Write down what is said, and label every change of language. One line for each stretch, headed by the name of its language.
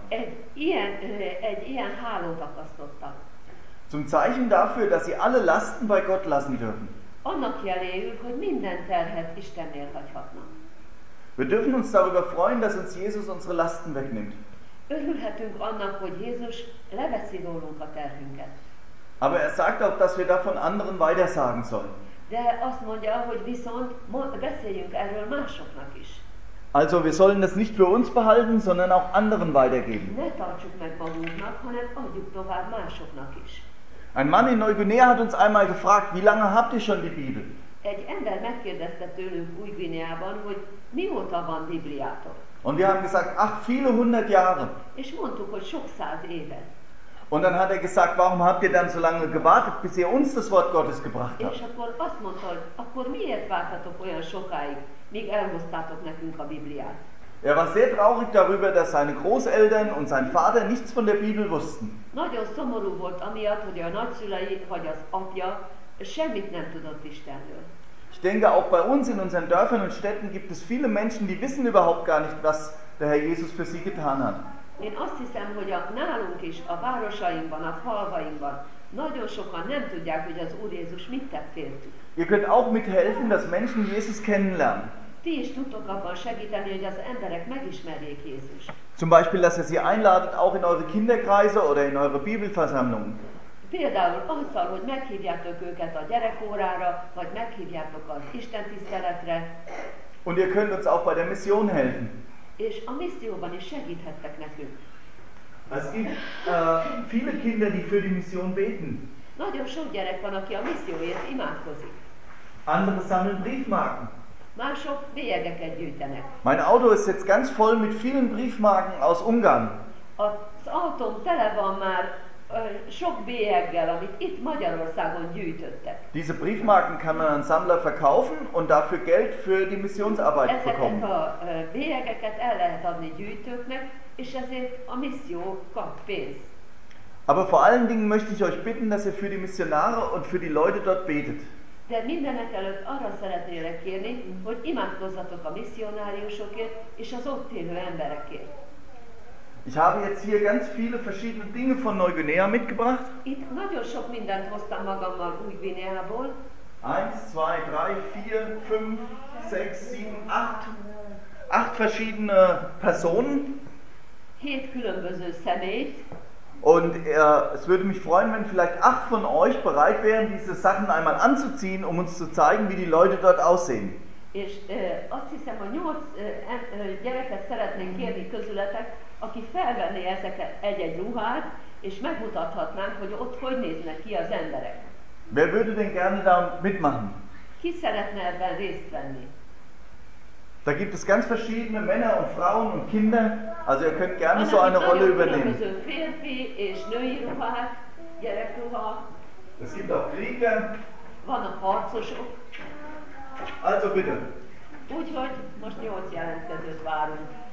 Hungarian: Egy ilyen hálót akasztottak.
German: Zum Zeichen dafür, dass sie alle Lasten bei Gott lassen dürfen.
Hungarian: Annak jeléül, hogy minden terhet Istennél hagyhatnak.
German: Wir dürfen uns darüber freuen, dass uns Jesus unsere Lasten wegnimmt.
Hungarian: Örülhetünk annak, hogy Jézus leveszi rólunk a terhünket.
German: Aber er sagt auch, dass wir davon anderen weitersagen sollen.
Hungarian: De azt mondja, hogy viszont beszéljünk erről másoknak is.
German: Also wir sollen das nicht für uns behalten, sondern auch anderen weitergeben.
Hungarian: Ne tartsuk meg magunknak, hanem adjuk tovább másoknak is.
German: Ein Mann in Neuguinea hat uns einmal gefragt, wie lange habt ihr schon die Bibel?
Hungarian: Egy ember megkérdezte tőlünk Új-Guineában, hogy mióta van Bibliátok?
German: Und wir haben gesagt, ach, viele hundert Jahre.
Hungarian: És mondtuk, hogy sok száz éve.
German: Und dann hat er gesagt, warum habt ihr dann so lange gewartet, bis ihr uns das Wort Gottes gebracht habt?
Hungarian: És akkor azt mondta, hogy akkor miért vártatok olyan sokáig, míg elhoztátok nekünk a Bibliát?
German: Er war sehr traurig darüber, dass seine Großeltern und sein Vater nichts von der Bibel wussten.
Hungarian: Nagyon szomorú volt amiatt, hogy a nagyszülei vagy az apja semmit nem tudott Istenről.
German: Ich denke, auch bei uns in unseren Dörfern und Städten gibt es viele Menschen, die wissen überhaupt gar nicht, was der Herr Jesus für sie getan hat.
Hungarian: Én azt hiszem, hogy a nálunk is, a városainkban, a falvainkban nagyon sokan nem tudják, hogy az Úr Jézus mit tett értük.
German: Ihr könnt auch mithelfen, dass Menschen Jesus kennenlernen.
Hungarian: Ti is tudtok abban segíteni, hogy az emberek megismerjék Jézus.
German: Zum Beispiel, dass ihr sie einladet, auch in eure Kinderkreise oder in eure Bibelversammlungen.
Hungarian: Például azzal, hogy meghívjátok őket a gyerekórára, vagy meghívjátok az istentiszteletre.
German: Und ihr könnt uns auch bei der Mission helfen.
Hungarian: És a misszióban is segíthettek nekünk.
German: Es gibt viele Kinder, die für die Mission beten.
Hungarian: Nagyon sok gyerek van, aki a misszióért imádkozik.
German: Andere sammeln Briefmarken.
Hungarian: Mások bélyegeket gyűjtenek.
German: Mein Auto ist jetzt ganz voll mit vielen Briefmarken aus Ungarn.
Hungarian: Az autóm tele van már sok bélyeggel, amit itt Magyarországon gyűjtöttek.
German: Diese Briefmarken kann man an Sammler verkaufen und dafür Geld für die Missionsarbeit bekommen.
Hungarian: Ezeket a bélyegeket el lehet adni gyűjtőknek, és ezért a misszió kap pénzt.
German: Aber vor allen Dingen möchte ich euch bitten, dass ihr für die Missionare und für die Leute dort betet.
Hungarian: De mindenek előtt arra szeretnélek kérni, hogy imádkozzatok a misszionáriusokért és az ott élő emberekért.
German: Ich habe jetzt hier ganz viele verschiedene Dinge von Neuguinea mitgebracht.
Hungarian: Itt nagyon sok mindent hoztam magammal Új-Guineából.
German: 1, 2, 3, 4, 5, 6, 7, 8. 8 verschiedene Personen.
Hungarian: 7 különböző személy.
German: Und es würde mich freuen, wenn vielleicht 8 von euch bereit wären, diese Sachen einmal anzuziehen, um uns zu zeigen, wie die Leute dort aussehen.
Hungarian: És azt hiszem, hogy 8 gyereket szeretnénk kérni közületek, aki felvenné ezeket egy-egy ruhát, és megmutathatnánk, hogy ott hogy néznek ki az emberek.
German: Wer würde denn gerne da mitmachen?
Hungarian: Ki szeretne ebben részt venni?
German: Da gibt es ganz verschiedene Männer und Frauen und Kinder, also ihr könnt gerne so eine Rolle übernehmen.
Hungarian: Férfi és női ruhák, gyerekruha.
German: Es gibt auch Krieger.
Hungarian: Vannak harcosok.
German: Also bitte.
Hungarian: Úgyhogy most 8 jelentkezőt várunk.